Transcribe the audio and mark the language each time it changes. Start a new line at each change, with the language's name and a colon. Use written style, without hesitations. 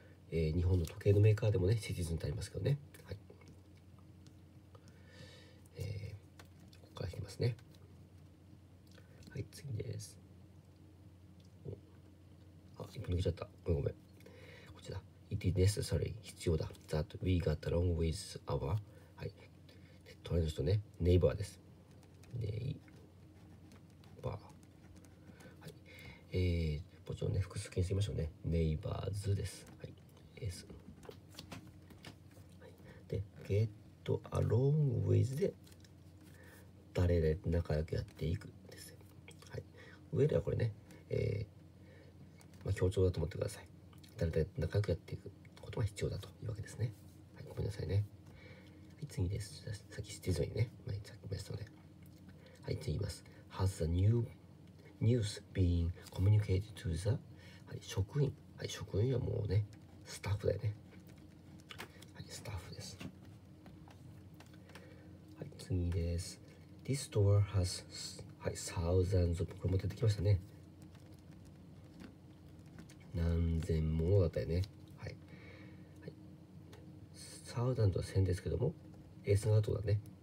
Japanese: 日本の時計のメーカーでもね、シティズンってありますけどね。はい、ここから来てますね。はい、次です。抜けちゃった。ごめんごめん。こちら。
English: It is necessary
Japanese: 必要だ。
English: That we got along with our はい。
Japanese: 隣の人ね。ネイバーです。ネイバー。はい。もちろんね、複数形にしましょうね。ネイバーズです。はい。S。はい、で、
English: get along with
Japanese: で、誰で仲良くやっていくです。はい。上ではこれね、まあ、強調だと思ってください。誰で仲良くやっていくことが必要だというわけですね。はい、ごめんなさいね。はい、次です。さっきディズニーね、前にさっき言いましたので。はい、次言います。
English: Has the new news been communicated to the、
Japanese: はい、職員。はい、職員はもうね、スタッフだよね。はい、スタッフです。はい、次です。
English: This store has、はい、thousands of、これも出てきましたね。
Japanese: 何千ものだったよね。はい。はい、thousands は千ですけども、S の後だね。